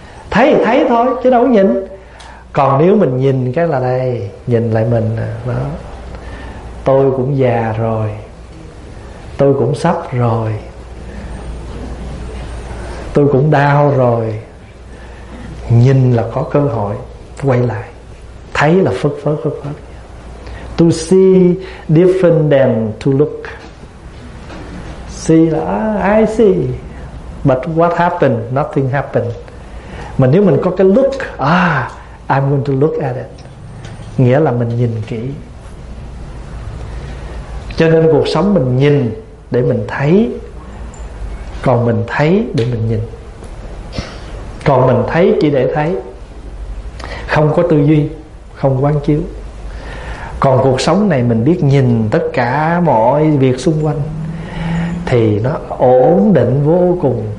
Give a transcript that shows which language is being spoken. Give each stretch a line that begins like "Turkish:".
Vietnamese: Thấy thì thấy thôi chứ đâu có nhìn. Còn nếu mình nhìn cái là đây, nhìn lại mình đó. Tôi cũng già rồi. Tôi cũng sắp rồi. Tôi cũng đau rồi. Nhìn là có cơ hội quay lại. Thấy là phất.
English: To see different than to look. See là I see, but what happened? Nothing happened.
Vietnamese: Mà nếu mình có cái look,
English: I'm going to look at it.
Vietnamese: Nghĩa là mình nhìn kỹ. Cho nên cuộc sống mình nhìn để mình thấy, còn mình thấy để mình nhìn. Còn mình thấy chỉ để thấy, không có tư duy, không quán chiếu. Còn cuộc sống này mình biết nhìn tất cả mọi việc xung quanh thì nó ổn định vô cùng.